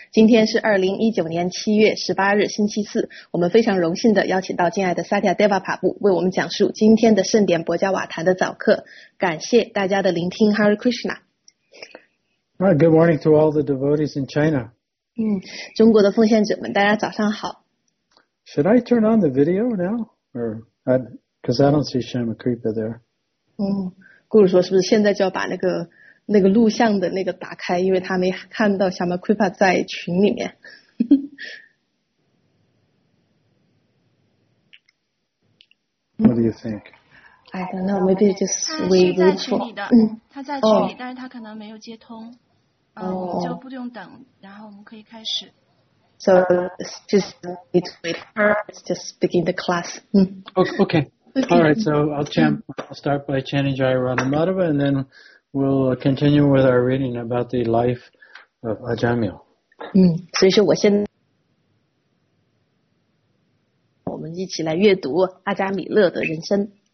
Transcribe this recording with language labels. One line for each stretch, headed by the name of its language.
Chinese: 今天是2019年7月18日，星期四。我们非常荣幸地邀请到敬爱的萨迦德瓦帕布为我们讲述今天的圣典博加瓦坛的早课。感谢大家的聆听 ，Hare Krishna。
English: Good morning to all the devotees in China。
Chinese: 中国的奉献者们，大家早上好。
English: Should I turn on the video now? Or because I don't see Shyama Kripa there.
Chinese: 顾主说是不是现在就要把那个录像的那个打开，因为他没看到 Shyama Kripa 在群里面。
English: What do you think? I don't know. Maybe just we look for.
Chinese: 他是在群里的，他在群里，但是他可能没有接通。就不用等，然后我们可以开始。
English: So just need to wait for us to begin the class. Okay. All right. So I'll start by chanting Jaya Radha Madhava, and then we'll continue with our reading about the life of Ajamil.
Chinese: 所以说我现在我们一起来阅读阿加米勒的人生。